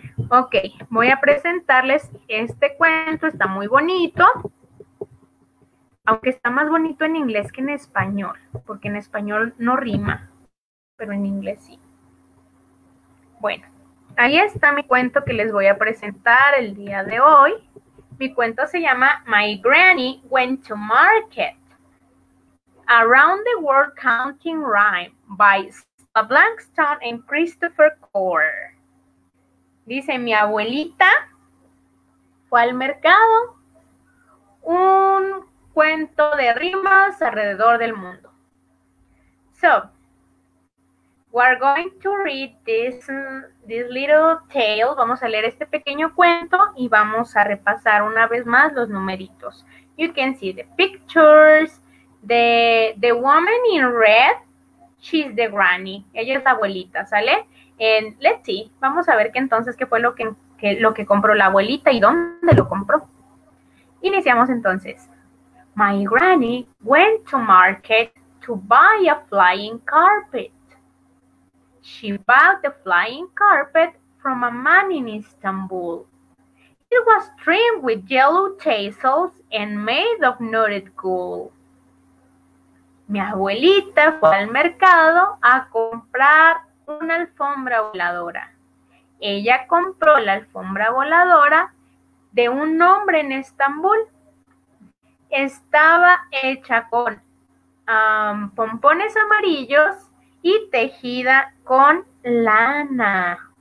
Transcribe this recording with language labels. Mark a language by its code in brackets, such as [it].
[es] Ok, voy a presentarles este cuento. Está muy bonito, aunque está más bonito en inglés que en español, porque en español no rima, pero en inglés sí. Bueno, ahí está mi cuento que les voy a presentar el día de hoy. Mi cuento se llama My Granny Went to Market. [en] Around the World Counting Rhyme by Stella Blackstone and Christopher Core. [es] Dice, mi abuelita fue al mercado. Un cuento de rimas alrededor del mundo. [en] So, we're going to read this little tale. [es] Vamos a leer este pequeño cuento y vamos a repasar una vez más los numeritos. [en] You can see the pictures. The woman in red, she's the granny. [es] Ella es la abuelita, ¿sale? [en] And let's see. [es] Vamos a ver qué entonces, qué fue lo que compró la abuelita y dónde lo compró. Iniciamos entonces. [en] My granny went to market to buy a flying carpet. She bought the flying carpet from a man in Istanbul. It was trimmed with yellow tassels and made of knotted gold. [es] Mi abuelita fue al mercado a comprar una alfombra voladora. Ella compró la alfombra voladora de un hombre en Estambul. Estaba hecha con pompones amarillos y tejida con lana.